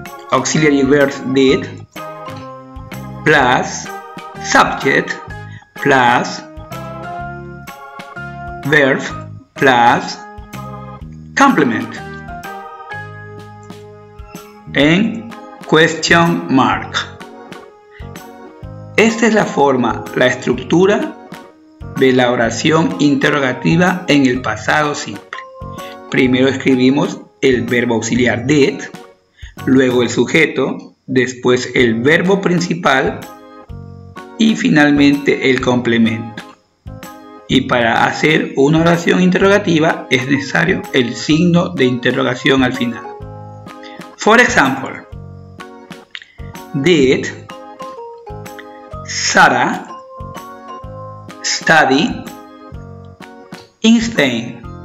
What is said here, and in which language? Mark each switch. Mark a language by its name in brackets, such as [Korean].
[English] Auxiliary verbs did plus subject plus verb plus complement en question mark. [Spanish] Esta es la forma, la estructura de la oración interrogativa en el pasado simple. Primero escribimos el verbo auxiliar did, luego el sujeto, después el verbo principal y finalmente el complemento. Y para hacer una oración interrogativa es necesario el signo de interrogación al final. [English] For example, did Sara study in Spain?